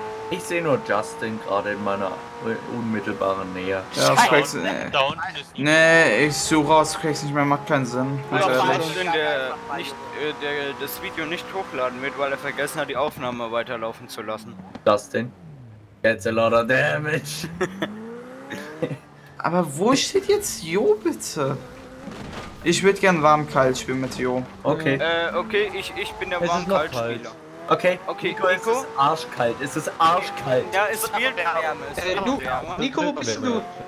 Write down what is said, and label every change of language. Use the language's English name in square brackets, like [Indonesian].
[German] Ich sehe nur Justin gerade in meiner unmittelbaren Nähe. Ja, Scrax, nee, ich suche aus Scrax nicht mehr, macht keinen Sinn. Ja, ich glaube, Justin, der das Video nicht hochladen wird, weil er vergessen hat, die Aufnahme weiterlaufen zu lassen. [English] Justin, that's a lot of damage. [German] Aber wo steht jetzt Jo bitte? Ich würde gern warm-kalt spielen mit Jo. Okay. Okay, ich bin der warm-kalt-Spieler. Okay, Nico, Nico? Es ist arschkalt. Ja, es wird wärmer. Nico, wo bist du?